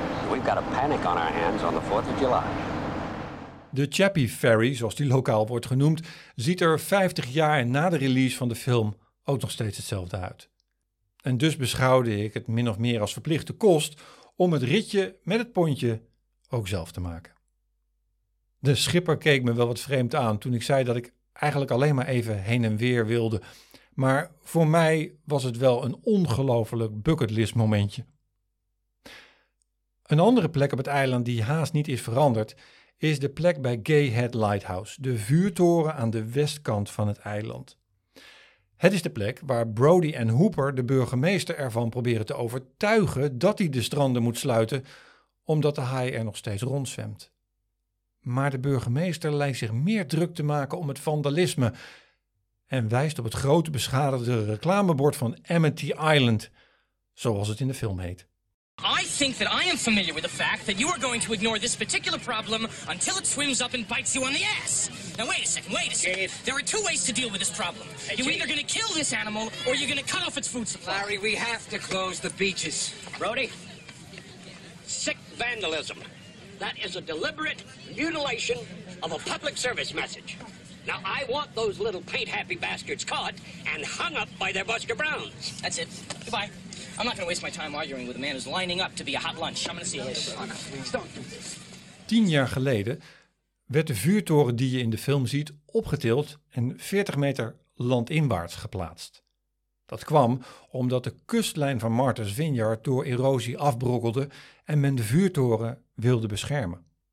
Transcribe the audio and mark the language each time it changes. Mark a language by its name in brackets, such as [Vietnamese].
[English] We've got a panic on our hands on the 4th of July. [Dutch] De Chappie Ferry, zoals die lokaal wordt genoemd, ziet er 50 jaar na de release van de film ook nog steeds hetzelfde uit. En dus beschouwde ik het min of meer als verplichte kost om het ritje met het pontje ook zelf te maken. De schipper keek me wel wat vreemd aan toen ik zei dat ik eigenlijk alleen maar even heen en weer wilde. Maar voor mij was het wel een ongelooflijk [English] bucketlist [Dutch] momentje. Een andere plek op het eiland die haast niet is veranderd is de plek bij Gay Head Lighthouse, de vuurtoren aan de westkant van het eiland. Het is de plek waar Brody en Hooper de burgemeester ervan proberen te overtuigen dat hij de stranden moet sluiten, omdat de haai er nog steeds rondzwemt. Maar de burgemeester lijkt zich meer druk te maken om het vandalisme en wijst op het grote beschadigde reclamebord van Amity Island, zoals het in de film heet. [English] I think that I am familiar with the fact that you are going to ignore this particular problem until it swims up and bites you on the ass. Now wait a second. Dave. There are two ways to deal with this problem. You're either going to kill this animal or you're going to cut off its food supply. Larry, we have to close the beaches. Brody, sick vandalism. That is a deliberate mutilation of a public service message. Now I want those little paint-happy bastards caught and hung up by their Buster Browns. That's it. Goodbye. I'm not going to waste my time arguing with a man who's lining up to be a hot lunch. I'm going to see his. Stop. [Dutch] 10 jaar geleden werd de vuurtoren die je in de film ziet opgetild en 40 meter landinwaarts geplaatst. Dat kwam omdat de kustlijn van Martha's Vineyard door erosie afbrokkelde en men de vuurtoren wilde beschermen.